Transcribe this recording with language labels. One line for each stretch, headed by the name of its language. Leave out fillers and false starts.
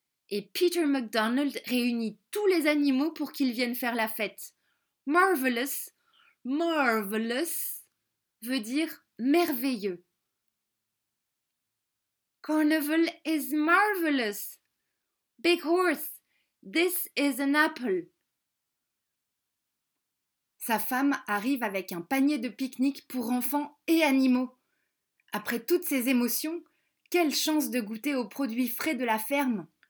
French: Et Peter MacDonald réunit tous les animaux pour qu'ils viennent faire la fête.
English: Marvelous, marvelous
French: veut dire merveilleux.
English: Carnival is marvelous. Big horse, this is an apple.
French: Sa femme arrive avec un panier de pique-nique pour enfants et animaux. Après toutes ces émotions, quelle chance de goûter aux produits frais de la ferme.